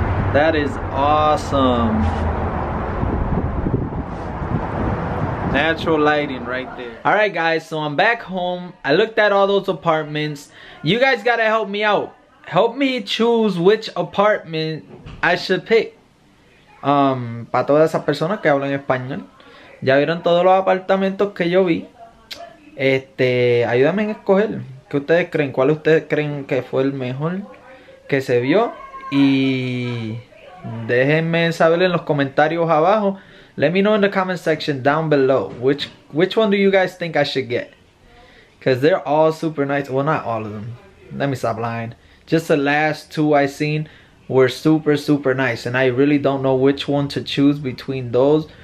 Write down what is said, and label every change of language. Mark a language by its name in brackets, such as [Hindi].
[English] That is awesome. Natural lighting right there. All right guys, so I'm back home. I looked at all those apartments. You guys gotta help me out. Help me choose which apartment I should pick. [Spanish] Para todas esas personas que hablan español, ya vieron todos los apartamentos que yo vi. Ayúdame a escoger. ¿Qué ustedes creen? ¿Cuál ustedes creen que fue el mejor que se vio? Y déjenme saber en los comentarios abajo. [English] Let me know in the comment section down below which one do you guys think I should get, because they're all super nice. Well, not all of them, let me stop lying. Just the last two I seen were super super nice, and I really don't know which one to choose between those.